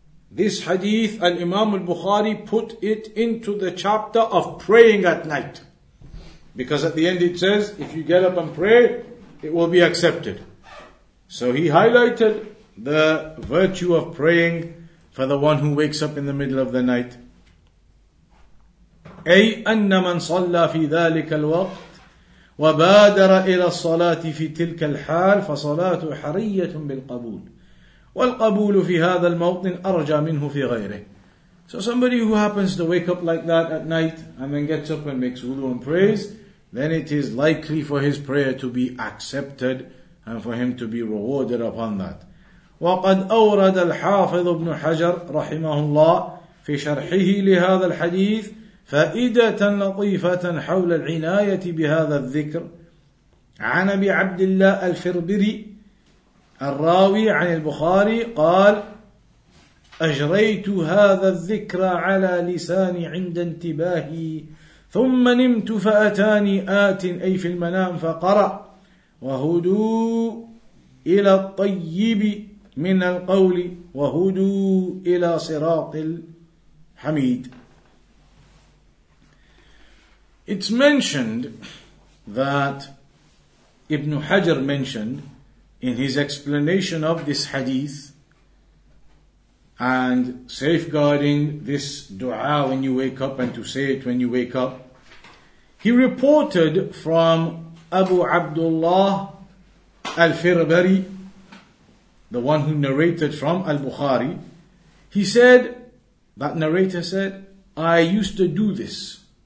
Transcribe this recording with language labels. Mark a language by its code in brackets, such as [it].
[en] This hadith, al-Imam al-Bukhari put it into the chapter of praying at night. Because at the end it says, if you get up and pray, it will be accepted. So he highlighted the virtue of praying for the one who wakes up in the middle of the night. [ar] أي أن من صلى في ذلك الوقت وبادر إلى الصلاة في تلك الحال فصلاته حرية بالقبول والقبول في هذا الموطن أرجى منه في غيره. [en] So somebody who happens to wake up like that at night and then gets up and makes wudu and prays, then it is likely for his prayer to be accepted and for him to be rewarded upon that. [ar] وقد أورد الحافظ ابن حجر رحمه الله في شرحه لهذا الحديث فائدة لطيفة حول العناية بهذا الذكر عن أبي عبد الله الفربري الراوي عن البخاري قال أجريت هذا الذكر على لساني عند انتباهي ثم نمت فأتاني آت أي في المنام فقرأ وهدوء إلى الطيب من القول وهدوء إلى صراط الحميد. [en] It's mentioned that Ibn Hajar mentioned in his explanation of this hadith and safeguarding this dua when you wake up and to say it when you wake up, he reported from Abu Abdullah al-Firbari, the one who narrated from al-Bukhari, he said, that narrator said, I used to do this.